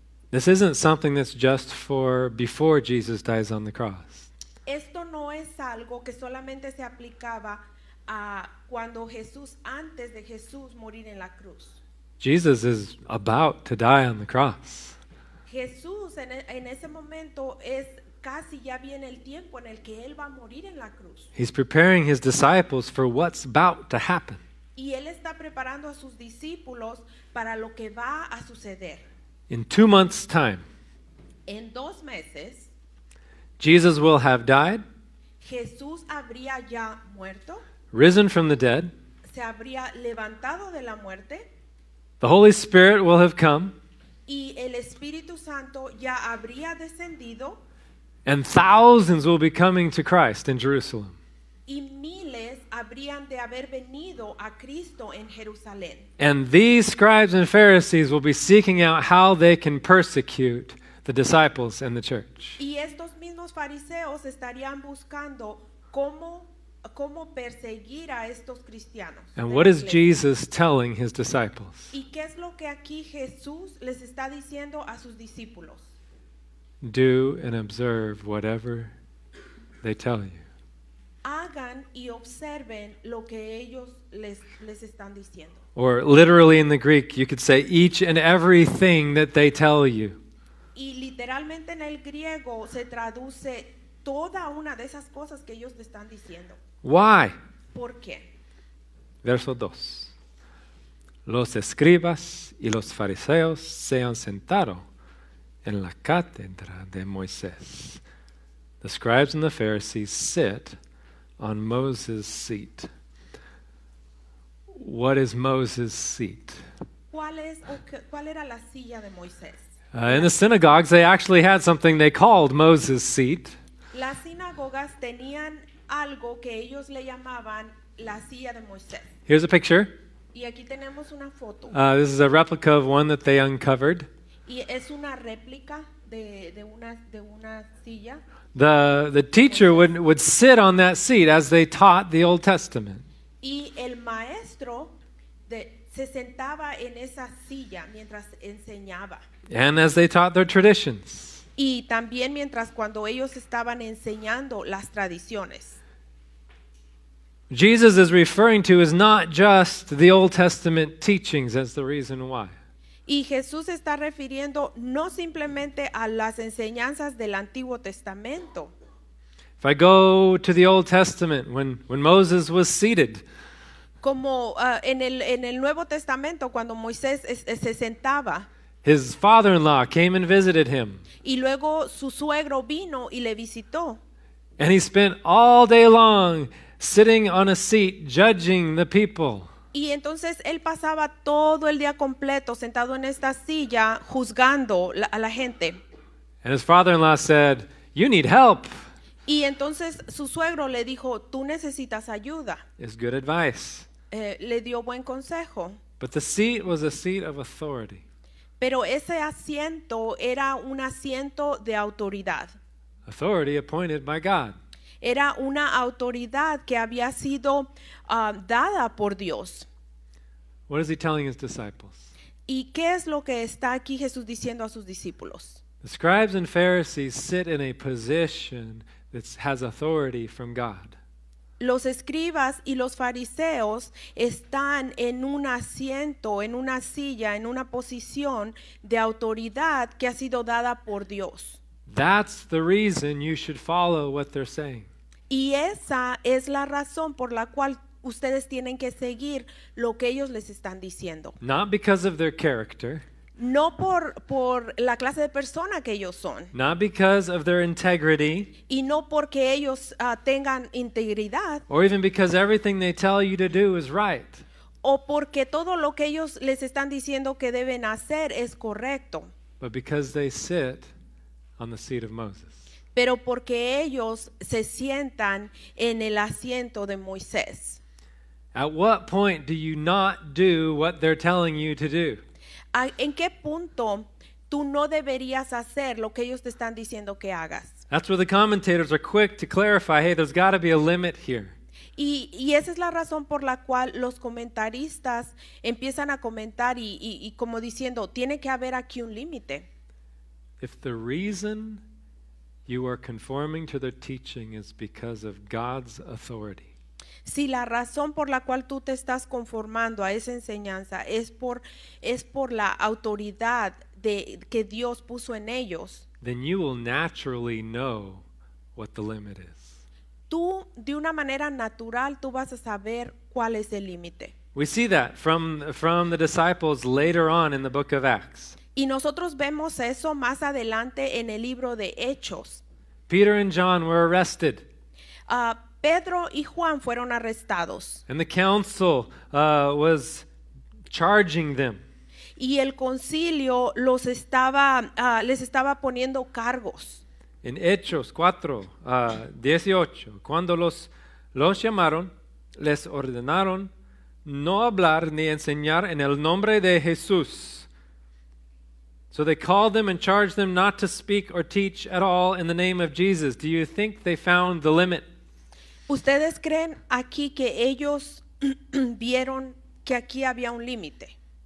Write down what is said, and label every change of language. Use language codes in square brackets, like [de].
[en] This isn't something that's just for before Jesus dies on the cross. [es] Esto no es algo que solamente se aplicaba a cuando Jesús, antes de Jesús morir en la cruz. [en] Jesus is about to die on the cross. [es] Jesús en ese momento es casi ya viene el tiempo en el que él va a morir en la cruz. [en] He's preparing his disciples for what's about to happen. [es] Y él está preparando a sus discípulos para lo que va a suceder. [en] In 2 months' time. [es] En 2 meses. [en] Jesus will have died. [es] Jesús habría ya muerto. [en] Risen from the dead. [es] Se habría levantado de la muerte. [en] The Holy Spirit will have come. [es] Y el Espíritu Santo ya habría descendido. [en] And thousands will be coming to Christ in Jerusalem. [es] Y miles habrían de haber venido a Cristo en Jerusalén. [en] And these scribes and Pharisees will be seeking out how they can persecute the disciples and the church. [es] Y estos mismos fariseos estarían buscando cómo perseguir a estos cristianos. [en] And what is Jesus telling his disciples? [es] ¿Y qué es lo que aquí Jesús les está diciendo a sus discípulos? [en] Do and observe whatever they tell you. [es] Hagan y observen lo que ellos les están diciendo. [en] Or literally in the Greek, you could say each and everything that they tell you. [es] Y literalmente en el griego se traduce toda una de esas cosas que ellos le están diciendo. [en] Why? [es] ¿Por qué? Verso 2. Los escribas y los fariseos se han sentado en la cátedra de Moisés. [en] The scribes and the Pharisees sit on Moses' seat. What is Moses' seat? [es] ¿Cuál era la silla de Moisés? [en] In the synagogues, they actually had something they called Moses' seat. [es] Las sinagogas tenían algo que ellos le llamaban la silla de Moisés. [en] Here's a picture. [es] Y aquí tenemos una foto. [en] This is a replica of one that they uncovered. [es] Y es una réplica de una silla. [en] The teacher would sit on that seat as they taught the Old Testament. [es] Y el maestro se sentaba en esa silla mientras enseñaba. [en] And as they taught their traditions. [es] Y también mientras cuando ellos estaban enseñando las tradiciones. [en] Jesus is referring to is not just the Old Testament teachings as the reason why. [es] Y Jesús está refiriendo no simplemente a las enseñanzas del Antiguo Testamento. [en] If I go to the Old Testament, when Moses was seated. [es] Como en el Nuevo Testamento, cuando Moisés se sentaba. [en] His father-in-law came and visited him. [es] Y luego su suegro vino y le visitó. [en] And he spent all day long sitting on a seat judging the people. [es] Y entonces él pasaba todo el día completo sentado en esta silla juzgando a la gente. [en] And his father-in-law said, "You need help." [es] Y entonces su suegro le dijo, "Tú necesitas ayuda." [en] It's good advice. [es] Le dio buen consejo. [en] But the seat was a seat of authority. [es] Pero ese asiento era un asiento de autoridad. [en] Authority appointed by God. [es] Era una autoridad que había sido dada por Dios. [en] What is he telling his disciples? [es] ¿Y qué es lo que está aquí Jesús diciendo a sus discípulos? [en] The scribes and Pharisees sit in a position that has authority from God. [es] Los escribas y los fariseos están en un asiento, en una silla, en una posición de autoridad que ha sido dada por Dios. [en] That's the reason you should follow what they're saying. [es] Y esa es la razón por la cual ustedes tienen que seguir lo que ellos les están diciendo. [en] Not because of their character. [es] No por la clase de persona que ellos son. [en] Not because of their integrity. [es] Y no porque ellos tengan integridad. [en] Or even because everything they tell you to do is right. [es] O porque todo lo que ellos les están diciendo que deben hacer es correcto. [en] But because they sit on the seat of Moses. [es] Pero porque ellos se sientan en el asiento de Moisés. [en] At what point do you not do what they're telling you to do? [es] ¿En qué punto tú no deberías hacer lo que ellos te están diciendo que hagas? [en] That's where the commentators are quick to clarify, hey, there's got to be a limit here. [es] Y esa es la razón por la cual los comentaristas empiezan a comentar y como diciendo, tiene que haber aquí un límite. [en] If the reason you are conforming to their teaching is because of God's authority. [es] Si la razón por la cual tú te estás conformando a esa enseñanza es por la autoridad que Dios puso en ellos. [en] Then you will naturally know what the limit is. [es] Tú de una manera natural tú vas a saber cuál es el límite. [en] We see that from the disciples later on in the book of Acts. [es] Y nosotros vemos eso más adelante en el libro de Hechos. [en] Peter and John were arrested. [es] Pedro y Juan fueron arrestados. [en] And the council was charging them. [es] Y el concilio los estaba les estaba poniendo cargos. En Hechos 4:18, cuando los llamaron, les ordenaron no hablar ni enseñar en el nombre de Jesús. [en] So they called them and charged them not to speak or teach at all in the name of Jesus. Do you think they found the limit? [es] ¿Ustedes creen aquí que ellos vieron que aquí había un límite?